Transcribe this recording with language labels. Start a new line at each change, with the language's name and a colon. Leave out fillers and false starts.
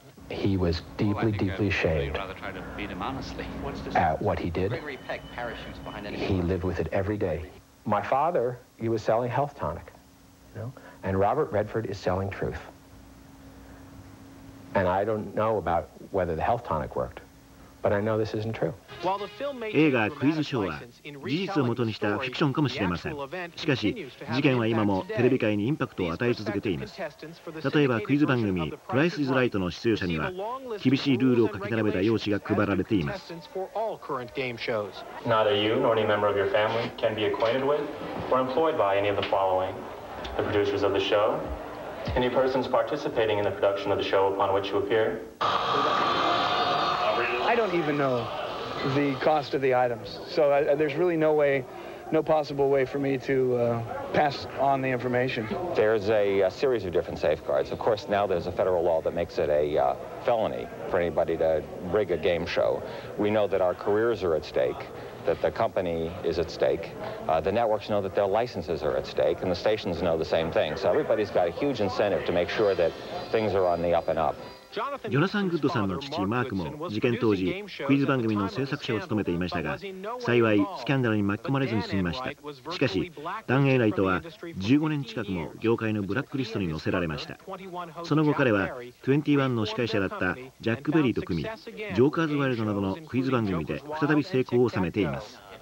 English: He was deeply, deeply ashamed at what he did. He lived with it every day. My father, he was selling health tonic, you know, and Robert Redford is selling truth. And I don't know about whether the health tonic worked, but I know this isn't true.
Japanese: 映画クイズショーは事実をもとにしたフィクションかもしれません。しかし、事件は今もテレビ界にインパクトを与え続けています。例えばクイズ番組プライスイズライトの出演者には厳しいルールを書き並べた用紙が配られています。
English: Not a you nor any member of your family can be acquainted with or employed by any of the following: the producers of the show, any persons participating in the production of the show upon which you appear. I don't even know. The cost of the items. So there's really no way, no possible way for me to pass on the information. There's a series of different safeguards. Of course, now there's a federal law that makes it a felony for anybody to rig a game show. We know that our careers are at stake, that the company is at stake. The networks know that their licenses are at stake, and the stations know the same thing. So everybody's got a huge incentive to make sure that things are on the up and up.
Japanese: ジョナサン・グッドさんの父マークも事件当時クイズ番組の制作者を務めていましたが、幸いスキャンダルに巻き込まれずに済みました。しかしダン・エイライトは15年近くも業界のブラックリストに載せられました。その後彼は21の司会者だったジャック・ベリーと組み、ジョーカーズ・ワイルドなどのクイズ番組で再び成功を収めています。